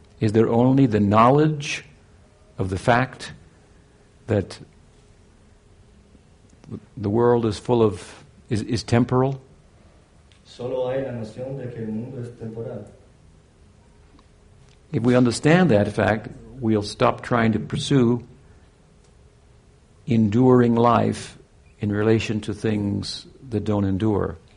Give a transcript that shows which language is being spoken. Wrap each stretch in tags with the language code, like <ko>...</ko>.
<en>Is there only the knowledge of the fact that the world is full of is temporal?</en> <es>Solo hay la noción de que el mundo es temporal.</es> <en>If we understand that fact, we'll stop trying to pursue enduring life in relation to things that don't endure.</en>